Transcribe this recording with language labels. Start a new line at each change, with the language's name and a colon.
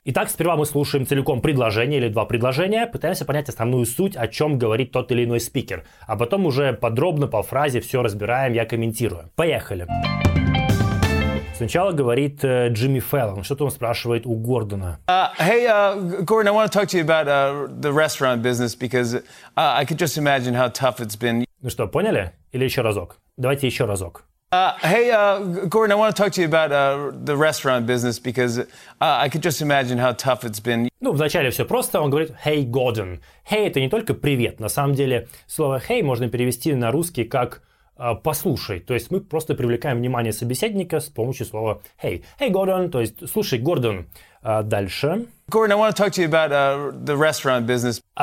Russian: Итак, сперва мы слушаем целиком предложение или два предложения, пытаемся понять основную суть, о чем говорит тот или иной спикер, а потом уже подробно по фразе все разбираем, я комментирую. Поехали! Сначала говорит Джимми Фэллон. Что-то он спрашивает у Гордона.
English: Gordon, I want to talk to you about the restaurant business because I could just imagine how tough it's been.
Russian: Ну что, поняли? Или еще разок? Давайте еще разок.
English: Gordon, I want to talk to you about the restaurant business because I could just imagine how tough it's been.
Russian: Ну, вначале все просто. Он говорит
English: «Hey, Gordon».
Russian: «Hey» — это не только «привет». На самом деле слово «hey» можно перевести на русский как «послушай». То есть мы просто привлекаем внимание собеседника с помощью слова «hey».
English: «Hey, Gordon»,
Russian: то есть «слушай, Гордон». Дальше.
English: Gordon, I want to talk to you about the restaurant business.